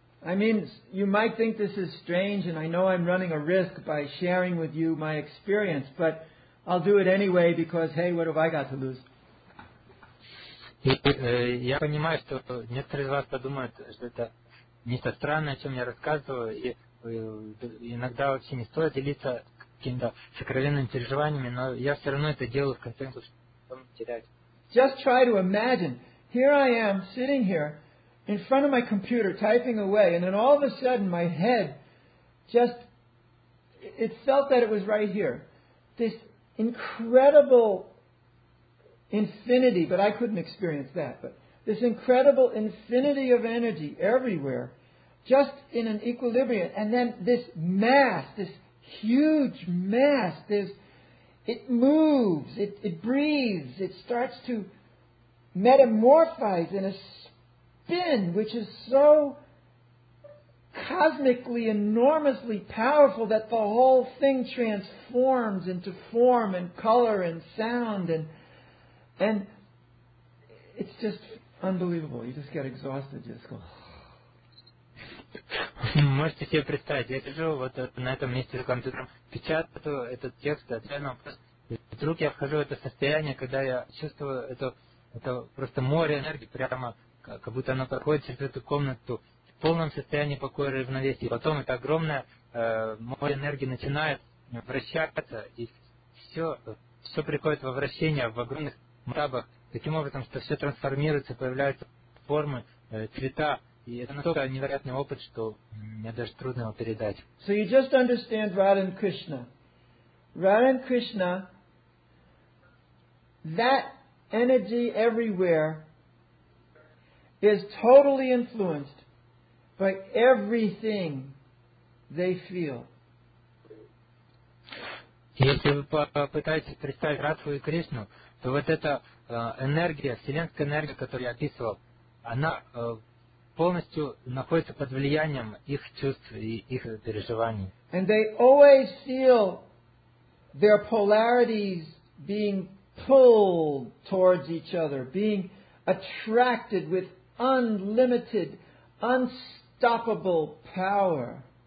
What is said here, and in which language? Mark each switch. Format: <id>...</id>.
<en>I mean, you might think this is strange, and I know I'm running a risk by sharing with you my experience, but I'll do it anyway because, hey, what have I got to lose?</en> <ru>Я понимаю, что некоторые из вас подумают, что это нечто странное, о чем я рассказываю, и иногда вообще не стоит делиться какими-то сокровенными переживаниями, но я все равно это делаю в конце концов.</ru> <en>Just try to imagine. Here I am sitting here in front of my computer typing away, and then all of a sudden my head just, it felt that it was right here. This incredible infinity, but I couldn't experience that, but this incredible infinity of energy everywhere, just in an equilibrium, and then this mass, this huge mass, this, it moves, it breathes, it starts to metamorphize in a spin, which is so cosmically, enormously powerful that the whole thing transforms into form and color and sound, and it's just unbelievable. You just get exhausted, you just go.</en> <ru>Можете себе представить, я сижу вот на этом месте за компьютером, печатаю этот текст, отвечаю на вопрос, И вдруг я вхожу в это состояние, когда я чувствую это просто море энергии, прямо как будто оно проходит через эту комнату в полном состоянии покоя и равновесия. И потом это огромное море энергии начинает вращаться, и все приходит во вращение в огромных масштабах, таким образом, что все трансформируется, появляются формы, цвета. И это настолько невероятный опыт, что мне даже трудно его передать.</ru> <en>So you just understand Radha and Krishna. Radha and Krishna, that energy everywhere is totally influenced by everything they feel.</en> <ru>Если вы попытаетесь представить Радху и Кришну, то вот эта энергия, вселенская энергия, которую я описывал, она полностью находится под влиянием их чувств и их переживаний.</ru> <en>And they always feel their polarities being pulled towards each other, being attracted with unlimited, unstoppable power.</en>